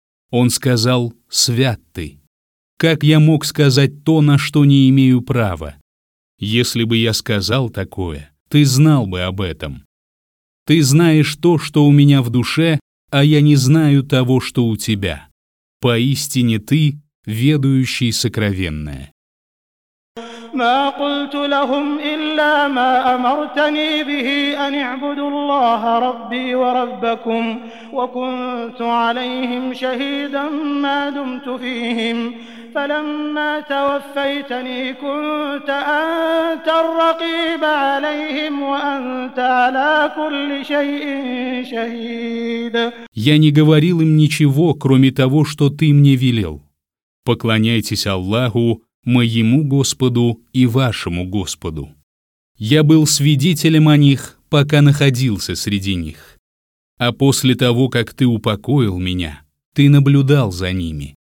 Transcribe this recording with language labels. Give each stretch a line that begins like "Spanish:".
Russian: Он сказал: «Свят ты! Как я мог сказать то, на что не имею права? Если бы я сказал такое, ты знал бы об этом. Ты знаешь то, что у меня в душе, а я не знаю того, что у тебя. Поистине ты — ведающий сокровенное».
Arabic: ما قلت لهم إلا ما أمرتني به أن اعبدوا الله ربي وربكم وكنت عليهم شهيدا ما دمت فيهم فلما توفيتني كنت أنت الرقيب عليهم وأنت على كل شيء شهيد.
Russian: Я не говорил им ничего, кроме того, что ты мне велел. Поклоняйтесь Аллаху, моему Господу и вашему Господу. Я был свидетелем о них, пока находился среди них. А после того, как ты упокоил меня, ты наблюдал за ними.